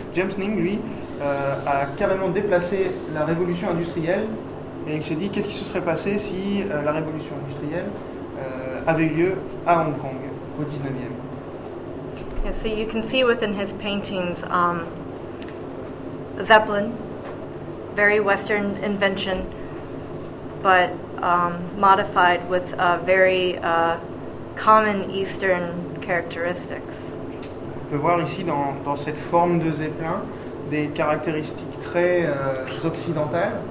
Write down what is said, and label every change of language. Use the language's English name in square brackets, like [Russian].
[French] James Ning, lui, a carrément déplacé la révolution industrielle, et il s'est dit, qu'est-ce qui se serait passé si la révolution industrielle avait eu lieu à Hong Kong au 19e. [English] Yeah, so you can see within his paintings Zeppelin, very Western invention, but modified with very common Eastern characteristics. [French] On peut voir ici dans cette forme de Zeppelin des caractéristiques très occidentales.